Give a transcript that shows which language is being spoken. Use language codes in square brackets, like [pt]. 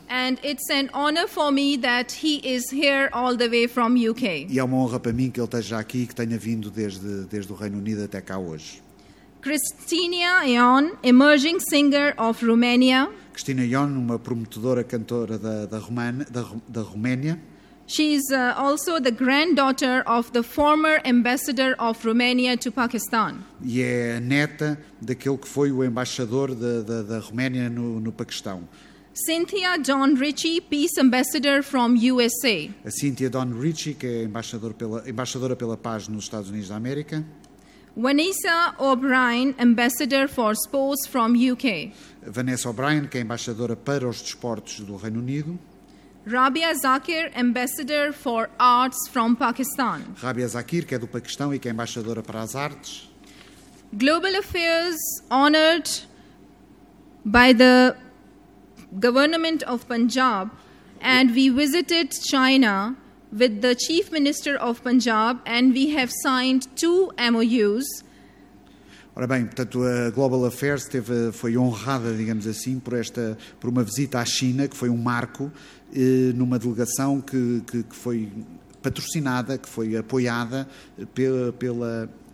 [en] And it's an honor for me that he is here all the way from UK. [pt] E é uma honra para mim que ele esteja aqui e que tenha vindo desde o Reino Unido até cá hoje. [en] Cristina Ion, emerging singer of Romania. [pt] Cristina Ion, uma prometedora cantora da Roménia. [en] She is also the granddaughter of the former ambassador of Romania to Pakistan. [pt] E é a neta daquele que foi o embaixador da Roménia no Paquistão. [en] Cynthia Don Ritchie, peace ambassador from USA. [pt] A Cynthia Don Ritchie, que é embaixadora pela paz nos Estados Unidos da América. [en] Vanessa O'Brien, ambassador for sports from UK. [pt] Vanessa O'Brien, que é embaixadora para os desportos do Reino Unido. [en] Rabia Zakir, ambassador for arts from Pakistan. [pt] Rabia Zakir, que é do Paquistão e que é embaixadora para as artes. [en] Global Affairs, honored by the government of Punjab, and we visited China with the Chief Minister of Punjab, and we have signed 2 MOUs. [pt] Ora bem, portanto, a Global Affairs foi honrada, digamos assim, por uma visita à China, que foi um marco, numa delegação que foi patrocinada, que foi apoiada pela...